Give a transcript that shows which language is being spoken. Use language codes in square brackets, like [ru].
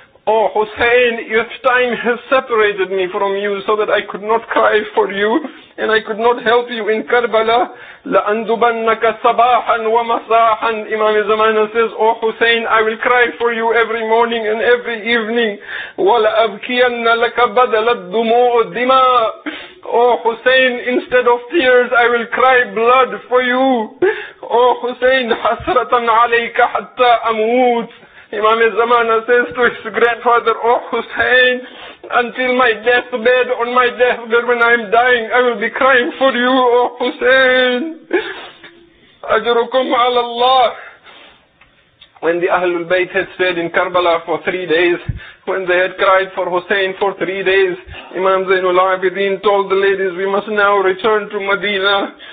[en] O Hussein, if time has separated me from you so that I could not cry for you and I could not help you in Karbala, [ar] لَأَنْدُبَنَّكَ صَبَاحًا وَمَسَاحًا. [en] Imam Zamana says, O Hussein, I will cry for you every morning and every evening. [ar] وَلَأَبْكِيَنَّ لَكَ بَدَلَ الدُّمُوءُ دِمَا. [en] O Hussein, instead of tears, I will cry blood for you. O Hussein, [ar] حَسْرَةً عَلَيْكَ حَتَّى أَمُوتُ. [en] Imam Zamana says to his grandfather, O Hussein, until my deathbed, on my deathbed when I am dying, I will be crying for you, O Hussein. Ajrukum ala Allah. When the Ahlul Bayt had stayed in Karbala for 3 days, when they had cried for Hussein for 3 days, Imam Zainul Abidin told the ladies, we must now return to Medina.